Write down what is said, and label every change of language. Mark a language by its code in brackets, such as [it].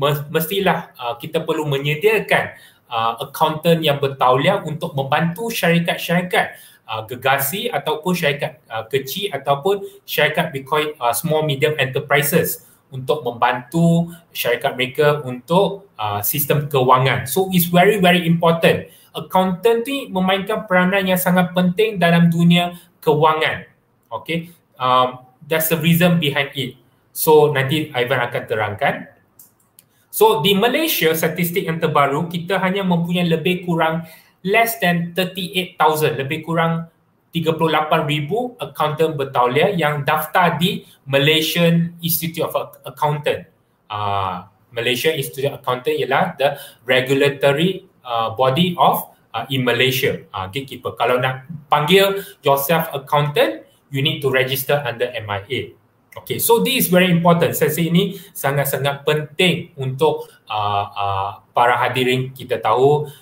[ms] Mestilah kita perlu menyediakan accountant yang bertauliah untuk membantu syarikat-syarikat gegasi ataupun syarikat kecil ataupun syarikat small medium enterprises untuk membantu syarikat mereka untuk sistem kewangan. [en] So it's very very important. [ms] Accountant ni memainkan peranan yang sangat penting dalam dunia kewangan. [en] Okay, that's the reason behind it. [ms] So nanti Ivan akan terangkan. So di Malaysia, statistik yang terbaru, kita hanya mempunyai lebih kurang [en] less than [ms] 38,000, lebih kurang 38,000 accountant bertauliah yang daftar di Malaysian Institute of Accountant. [en] Malaysian Institute of Accountant [ms] ialah [en] the regulatory body of in Malaysia, gatekeeper. [ms] Kalau nak panggil [en] yourself accountant, you need to register under MIA. Okay, so this is very important. [ms] Sesi ini sangat-sangat penting untuk para hadirin kita tahu.